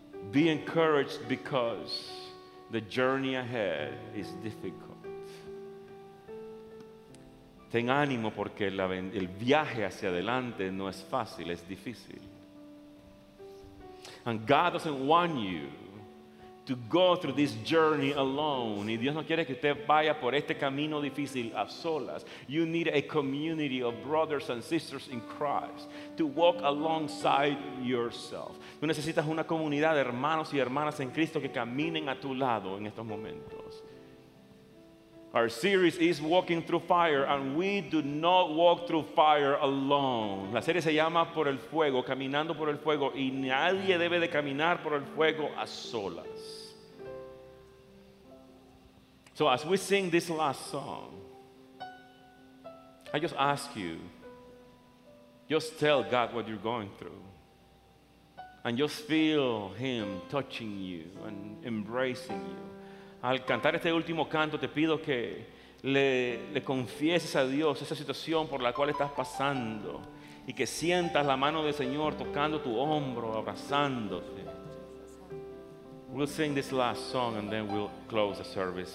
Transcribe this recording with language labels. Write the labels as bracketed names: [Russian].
[English] Be encouraged because the journey ahead is difficult. [Spanish] Ten ánimo porque el viaje hacia adelante no es fácil, es difícil. [English] And God doesn't want you to go through this journey alone. [Spanish] Y Dios no quiere que usted vaya por este camino difícil a solas. [English] You need a community of brothers and sisters in Christ to walk alongside yourself. [Spanish] Tú necesitas una comunidad de hermanos y hermanas en Cristo que caminen a tu lado en estos momentos. [English] Our series is Walking Through Fire, and we do not walk through fire alone. [Spanish] La serie se llama Por el Fuego, Caminando por el Fuego, y nadie debe de caminar por el fuego a solas. [English] So as we sing this last song, I just ask you, just tell God what you're going through, and just feel Him touching you and embracing you. [Spanish] Al cantar este último canto, te pido que le confieses a Dios esa situación por la cual estás pasando y que sientas la mano del Señor tocando tu hombro, abrazándote. [English] We'll sing this last song and then we'll close the service.